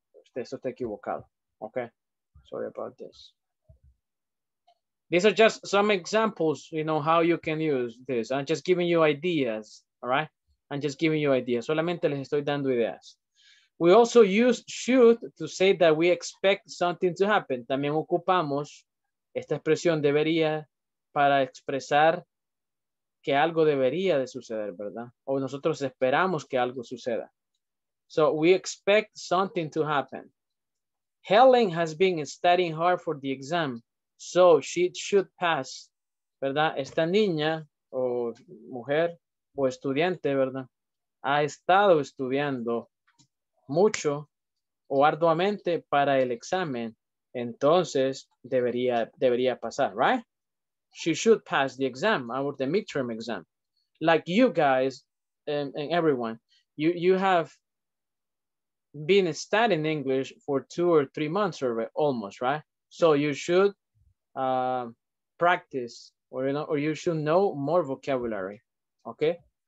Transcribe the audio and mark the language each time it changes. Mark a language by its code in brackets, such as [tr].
[es] Usted está equivocado, [en] okay? Sorry about this. These are just some examples, you know, how you can use this. I'm just giving you ideas, all right? I'm just giving you ideas. [es] Solamente les estoy dando ideas. [en] We also use should to say that we expect something to happen. [es] También ocupamos esta expresión debería para expresar que algo debería de suceder, ¿verdad? O nosotros esperamos que algo suceda. [en] So we expect something to happen. Helen has been studying hard for the exam, so she should pass, ¿verdad? [es] Esta niña o mujer o estudiante, ¿verdad? Ha estado estudiando mucho o arduamente para el examen, entonces debería pasar, right? [en] She should pass the exam, our the midterm exam. Like you guys and everyone, you have been studying English for 2 or 3 months already, almost, right? So you should practice, or you know, or you should know more vocabulary, okay?